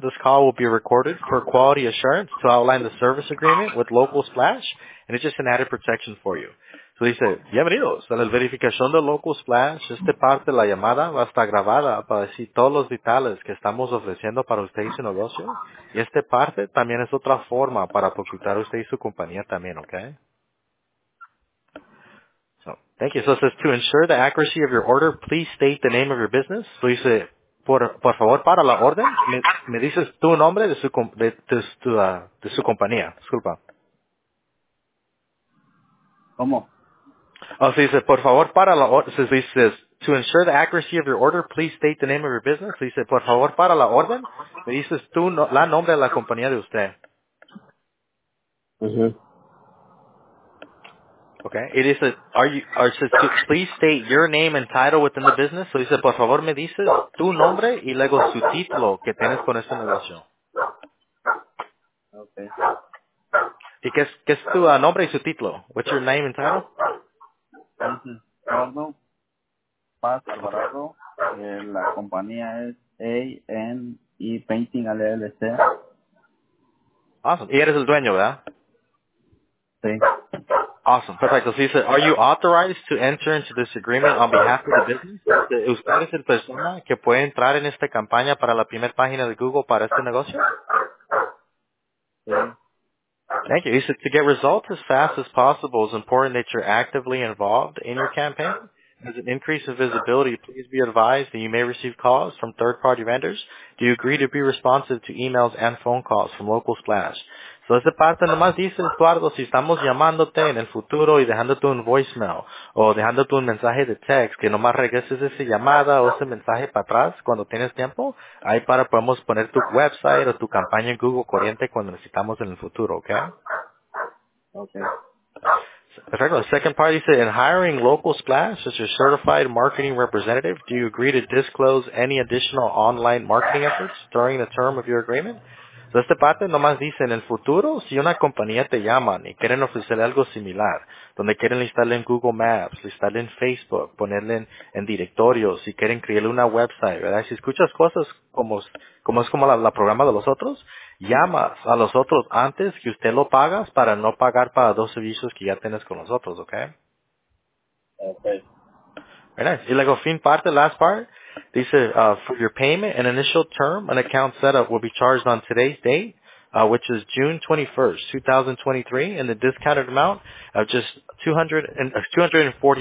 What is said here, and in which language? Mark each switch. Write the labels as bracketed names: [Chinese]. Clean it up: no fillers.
[English] This call will be recorded for quality assurance to outline the service agreement with Local Splash, and it's just an added protection for you. [Spanish] So dice, bienvenidos a la verificación de Local Splash. Esta parte de la llamada va a estar grabada para decir todos los detalles que estamos ofreciendo para usted y su negocio. Y esta parte también es otra forma para consultar usted y su compañía también, okay? [English] Thank you. So it says, to ensure the accuracy of your order, please state the name of your business. So you say, [Spanish] por favor, para la orden, me dices tu nombre de su compañía. Disculpa. ¿Cómo? [English] Oh, so you say, [Spanish] por favor, para la orden. [English] So you say, to ensure the accuracy of your order, please state the name of your business. So you say, [Spanish] por favor, para la orden, me dices tu la nombre de la compañía de usted. Mm-hmm. [English] Okay. It is a, please state your name and title within the business. So he said, [Spanish] por favor, me dices tu nombre y luego su título que tienes con este negocio. ¿Y qué es tu nombre y su título? [English] What's your name and title? [Spanish] Pablo Paz Alvarado. La compañía es A&E Painting LLC. [English] Awesome. [Spanish] Y eres el dueño, ¿verdad? Sí. [English] Awesome. [Spanish] Perfecto. [English] So he said, are you authorized to enter into this agreement on behalf of the business? [Spanish] ¿Usted es el persona que puede entrar en esta campaña para la primera página de Google para este negocio? Sí. [English] Thank you. He said, to get results as fast as possible, it's important that you're actively involved in your campaign. As an increase in visibility, please be advised that you may receive calls from third-party vendors. Do you agree to be responsive to emails and phone calls from local Splash? [Spanish] So, esta parte nomás dice, Eduardo, si estamos llamándote en el futuro y dejándote un voicemail o dejándote un mensaje de text, que nomás regreses esa llamada o ese mensaje para atrás cuando tienes tiempo, ahí para podemos poner tu website o tu campaña en Google corriente cuando necesitamos en el futuro, ¿ok? Ok. Perfecto. [English] The second part, he said, in hiring local Splash as your certified marketing representative, do you agree to disclose any additional online marketing efforts during the term of your agreement? [Spanish] So, esta parte nomás dice, en el futuro, si una compañía te llama y quieren ofrecerle algo similar, donde quieren listarle en Google Maps, listarle en Facebook, ponerle en directorio, si quieren crearle una website, ¿verdad? Si escuchas cosas como es como la programa de los otros, llamas a los otros antes que usted lo pagas para no pagar para dos servicios que ya tienes con nosotros, ¿ok? Ok. [English] Very nice. [Spanish] Y luego, fin parte, [English] last part, [Spanish] dice, [English] for your payment, an initial term, an account setup will be charged on today's date, which is June 21st, 2023, and the discounted amount of just $249.